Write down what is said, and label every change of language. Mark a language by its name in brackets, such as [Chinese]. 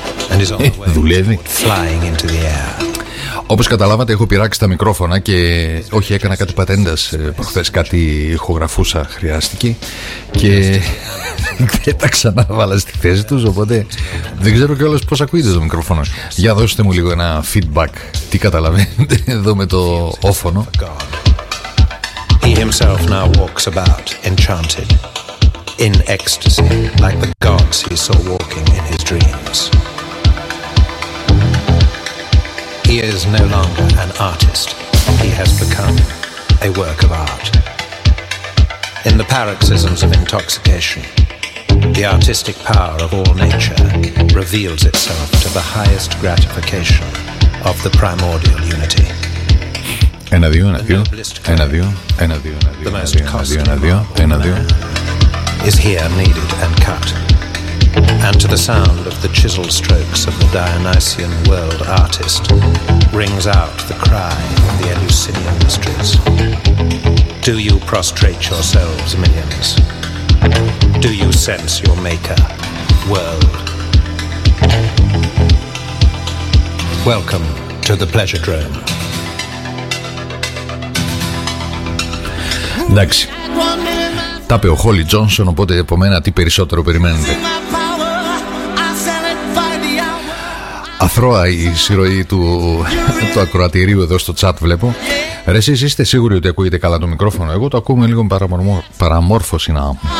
[English] And is on the way flying into the air. [Greek] Όπως καταλάβατε, έχω πειράξει τα μικρόφωνα και όχι, έκανα κάτι πατέντας προχθές, κάτι ηχογραφούσα χρειάστηκε και δεν τα ξανάβαλα στη θέση τους, οπότε δεν ξέρω κιόλας πώς ακούγεται το μικρόφωνο. Για δώστε μου λίγο ένα feedback, τι καταλαβαίνετε εδώ με το όφωνο. [English] He himself now walks about enchanted, in ecstasy, like the gods he saw walking in his dreams. He is no longer an artist. He has become a work of art. In the paroxysms of intoxication, the artistic power of all nature reveals itself to the highest gratification of the primordial unity. [Greek] Ένα, δύο, ένα, δύο. Ένα, δύο. Ένα, δύο, ένα, δύο. Ένα, δύο, ένα, δύο. [English] Is here kneaded and cut. And to the sound of the chisel strokes of the Dionysian world artist rings out the cry of the Eleusinian mysteries. Do you prostrate yourselves, minions? Do you sense your maker, world? Welcome to the pleasure drone. [Greek] Εντάξει, τα είπε ο Χόλι Τζόνσον, οπότε από μένα τι περισσότερο περιμένετε. Αθρώα η συρροή του ακροατηρίου εδώ στο chat, βλέπω. Ρε, εσείς είστε σίγουροι ότι ακούγεται καλά το μικρόφωνο? Εγώ το ακούω με λίγο παραμόρφωση να...